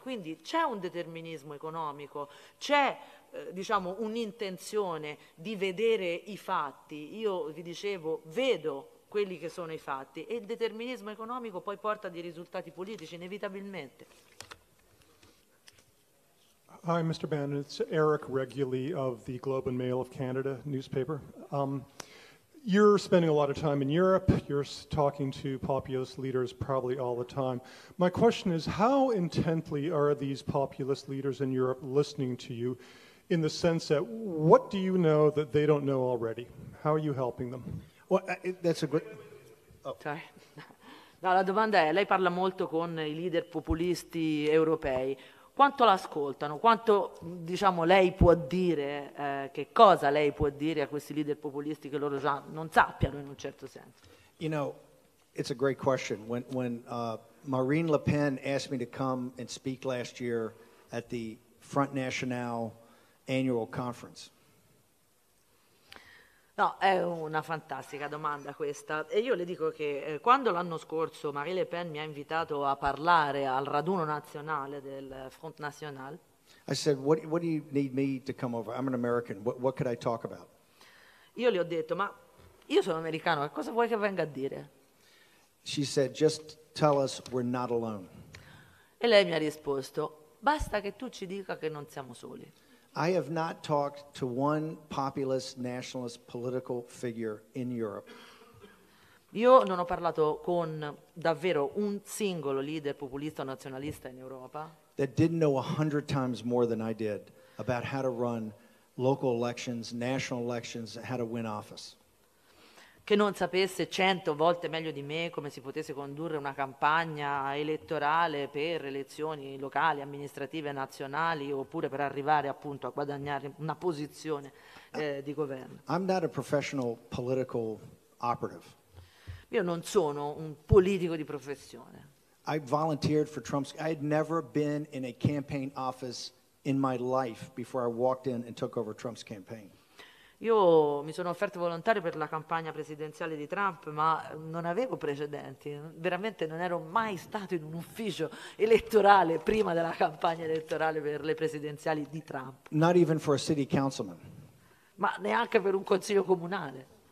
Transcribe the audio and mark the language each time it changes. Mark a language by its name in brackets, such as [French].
[Italian] Quindi c'è un determinismo economico, c'è diciamo un'intenzione di vedere i fatti. Io vi dicevo, vedo quelli che sono i fatti, e il determinismo economico poi porta dei risultati politici inevitabilmente. [English] Hi, Mr. Bannon, it's Eric Reguli of the Globe and Mail of Canada newspaper. You're spending a lot of time in Europe. You're talking to populist leaders probably all the time. My question is, how intently are these populist leaders in Europe listening to you, in the sense that what do you know that they don't know already? How are you helping them? [Italian] No, la domanda è, lei parla molto con i leader populisti europei. Quanto l'ascoltano? Quanto, diciamo, lei può dire, che cosa lei può dire a questi leader populisti che loro già non sappiano, in un certo senso? [English] You know, it's a great question. When Marine Le Pen asked me to come and speak last year at the Front National annual conference. [Italian] No, è una fantastica domanda questa. E io le dico che quando l'anno scorso Marine Le Pen mi ha invitato a parlare al raduno nazionale del Front National, [English] I said, what do you need me to come over? I'm an American. What could I talk about? [Italian] Io le ho detto, ma io sono americano, che cosa vuoi che venga a dire? [English] She said, just tell us we're not alone. [Italian] E lei mi ha risposto, basta che tu ci dica che non siamo soli. [English] I have not talked to one populist nationalist political figure in Europe. [Italian] Io non ho parlato con davvero un singolo leader populista o nazionalista in Europa. [English] That didn't know 100 times more than I did about how to run local elections, national elections, how to win office. [Italian] Che non sapesse 100 volte meglio di me come si potesse condurre una campagna elettorale per elezioni locali, amministrative, nazionali, oppure per arrivare appunto a guadagnare una posizione di governo. [English] I'm not a professional political operative. [Italian] Io non sono un politico di professione. [English] I volunteered for Trump's. I had never been in a campaign office in my life before I walked in and took over Trump's campaign. [Italian] Io mi sono offerto volontario per la campagna presidenziale di Trump, ma non avevo precedenti. Veramente non ero mai stato in un ufficio elettorale prima della campagna elettorale per le presidenziali di Trump. [English] Not even for a city councilman. [Italian] Ma neanche per un consiglio comunale.